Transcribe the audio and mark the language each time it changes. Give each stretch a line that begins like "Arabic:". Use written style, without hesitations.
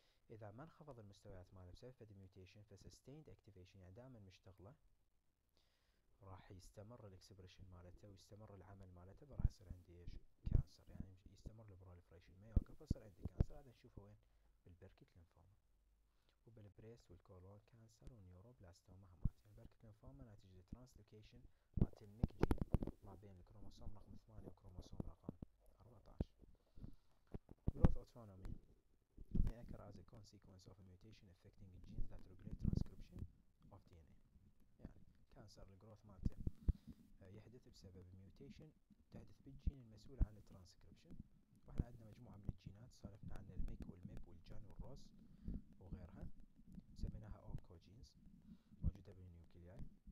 Arabic: اذا ما انخفض المستويات مالها بسبب فد ميوتيشن فسستيند اكتيفيشن، يعني دائما مشتغله، راح يستمر الاكسبريشن مالته ويستمر العمل مالته، فراح يصير عندي ايش كانسر، يعني يستمر البروليفريشن ما يوقف يصير عندي كانسر. هذا نشوفه وين؟ بالبركت لينفوما وبالبريست والكولون كانسر والنيوروبلاستوما. هم البركت لينفوما نتيجة ترانسلوكيشن مالت الميك جين ما بين الكروموسوم رقم 8 وكروموسوم رقم 14.
English: جروث اوتونومي may occur as a consequence of a mutation affecting genes that regulate transcription of DNA.
Arabic: يعني كانسر الجروث مالته يحدث بسبب ميوتيشن تحدث بالجين المسؤول عن الترانسكريبشن. واحنا عندنا مجموعه من الجينات سالفنا عن الميك والميب والجان والروس وغيرها، سميناها اونكو جينز موجوده بالنيوكلياي.